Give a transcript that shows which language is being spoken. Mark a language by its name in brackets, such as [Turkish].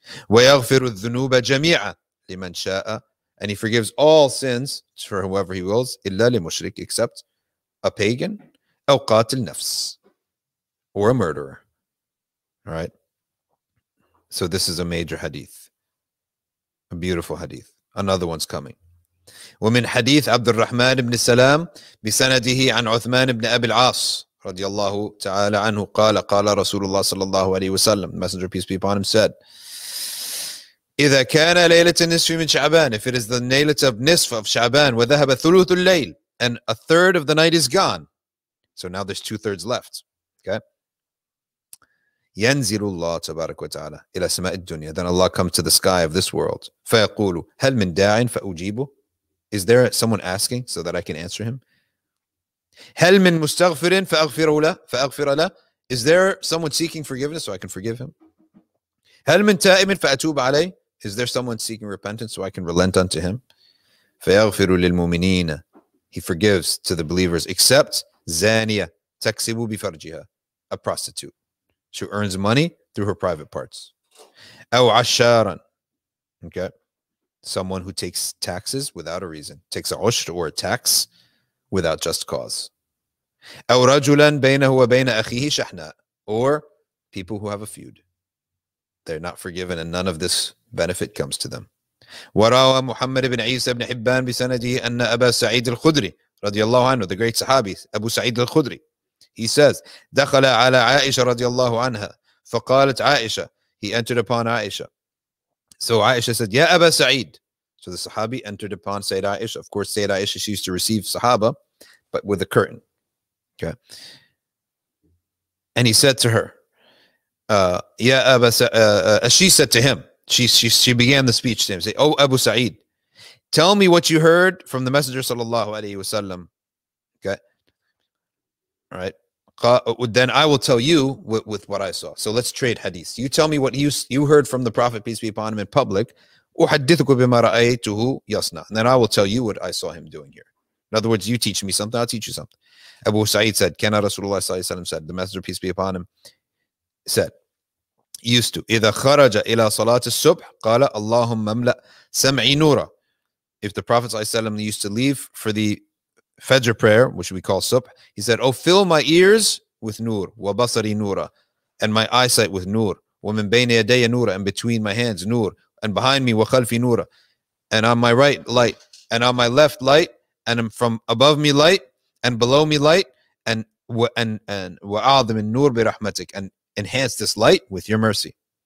[Arabic] وَيَغْفِرُ الذُّنُوبَ جَمِيعًا لِمَنْ شَاءَ, [English] and he forgives all sins for whoever he wills, [Arabic] إِلَّا لِمُشْرِك, [English] except a pagan, [Arabic] أو قاتل نفس, [English] or a murderer. All right. So this is a major hadith, a beautiful hadith. Another one's coming. [Arabic] ومن حديث عبد الرحمن بن سلام بسنده عن عثمان بن أبي العاص رضي الله تعالى عنه قال قال رسول الله صلى الله عليه وسلم, [English] the Messenger of peace be upon him said, [Arabic] إذا كان ليلة النصف من شعبان, if it is the ليلة of نصف of شعبان, وذهب ثلث الليل, [English] and a third of the night is gone, so now there's two thirds left. Okay. [Arabic] ينزل الله تبارك وتعالى إلى سماء الدنيا, [English] then Allah comes to the sky of this world. [Arabic] فيقول هل من داع فأجيبه, [English] is there someone asking so that I can answer him? [Arabic] هل من مستغفر فأغفر له, [English] is there someone seeking forgiveness so I can forgive him? [Arabic] هل من تائب فأتوب عليه, [English] is there someone seeking repentance so I can relent unto him? [Arabic] فيغفر للمؤمنين, [English] he forgives to the believers, except [Arabic] زانية تكسب بفرجها, [English] a prostitute, she earns money through her private parts. [Arabic] أو عشارا, [English] okay, someone who takes taxes without a reason, takes a ushr or a tax without just cause. [Arabic] أو رجلا بينه وبين أخيه شحناء, [English] or people who have a feud, they're not forgiven and none of this benefit comes to them. [Arabic] وروى محمد بن عيسى بن حبان بسنده أن أبا سعيد الخدري رضي الله عنه, [English] the great Sahabi, [Arabic] أبو سعيد الخدري, he says, دخل على عائشة رضي الله عنها فقالت عائشة, [English] he entered upon [Arabic] عائشة. [English] So Aisha said, يا أبا سعيد. So the Sahabi entered upon Sayyid Aisha. Of course, Sayyid Aisha, she used to receive Sahaba, but with a curtain. Okay. And he said to her, Ya Abu Sa'id, she said to him, she began the speech to him, say, oh, Abu Sa'id, tell me what you heard from the Messenger sallallahu alayhi wa sallam. Okay. All right. Then I will tell you with what I saw. So let's trade hadith. You tell me what you heard from the Prophet, peace be upon him, in public. [Arabic] أحدثك بما رأيته يصنع. [English] And then I will tell you what I saw him doing here. In other words, you teach me something, I'll teach you something. [Arabic] Abu Sa'id said, كان رسول الله صلى الله عليه وسلم [English] said, the Messenger, peace be upon him, said, used to, [Arabic] إذا خرج إلى صلاة الصبح قال اللهم املأ سمعي نورا. [English] If the Prophet صلى الله عليه وسلم used to leave for the Fajr prayer, which we call subh, he said, oh, fill my ears with nur, [Arabic] وبصري نورا, [English] and my eyesight with nur, [Arabic] ومن بين يدي نورا, [English] and between my hands nur, and behind me, [Arabic] وخلفي نورا, [English] and on my right light, and on my left light, and from above me light, and below me light, and [Arabic] وعظم النور برحمتك, [English] and enhance this light with your mercy.